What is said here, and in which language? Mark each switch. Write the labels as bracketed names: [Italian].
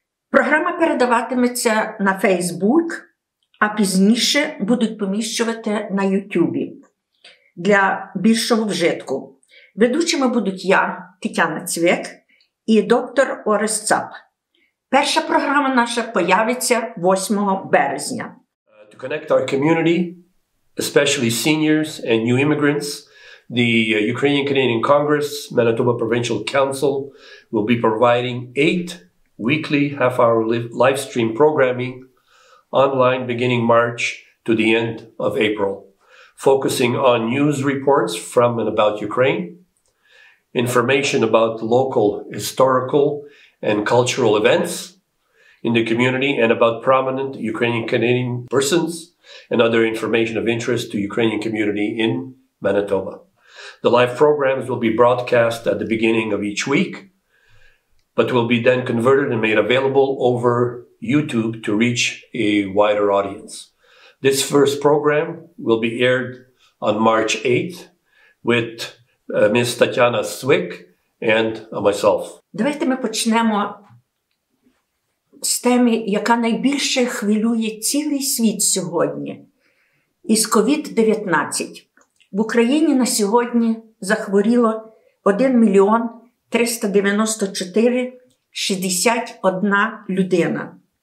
[Ukrainian] Програма передаватиметься на Facebook, а пізніше будуть поміщувати на YouTube для більшого вжитку. Ведучими будуть я, Тетяна Цвік, і доктор Орис Цап. Перша програма наша появиться 8 березня. [English] To connect our community, especially seniors and new immigrants, the Ukrainian-Canadian Congress, Manitoba Provincial Council will be providing 8 weekly half-hour live stream programming online beginning March to the end of April, focusing on news reports from and about Ukraine, information about local historical and cultural events in the community and about prominent Ukrainian-Canadian persons, and other information of interest to Ukrainian community in Manitoba. The live programs will be broadcast at the beginning of each week, but will be then converted and made available over YouTube to reach a wider audience. This first program will be aired on March 8th with Ms. Tatiana Swick and myself. [Ukrainian] Давайте ми почнемо з теми, яка найбільше хвилює цілий світ сьогодні, із COVID-19. В Україні на сьогодні захворіло 1 394 061 людина.